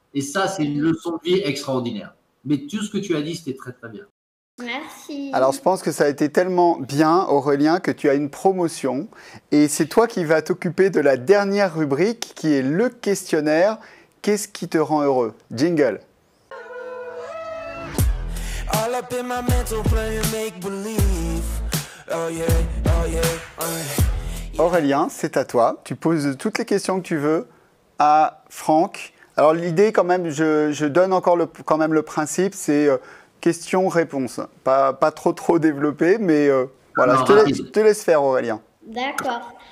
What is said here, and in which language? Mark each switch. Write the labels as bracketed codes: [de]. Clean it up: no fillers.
[fr] Et ça, c'est une leçon de vie extraordinaire. Mais tout ce que tu as dit, c'était très, très bien. Merci. Alors, je pense que ça a été tellement bien, Aurélien, que tu as une promotion. Et c'est toi qui vas t'occuper de la dernière rubrique, qui est le questionnaire. Qu'est-ce qui te rend heureux? Jingle. [en] all up in my mental playing make believe. Oh yeah, oh yeah, oh yeah. [fr] Aurélien, c'est à toi. Tu poses toutes les questions que tu veux à Franck. Alors l'idée quand même, je donne encore quand même le principe, c'est question-réponse. Pas trop développé, mais voilà, non, je te laisse faire Aurélien. D'accord.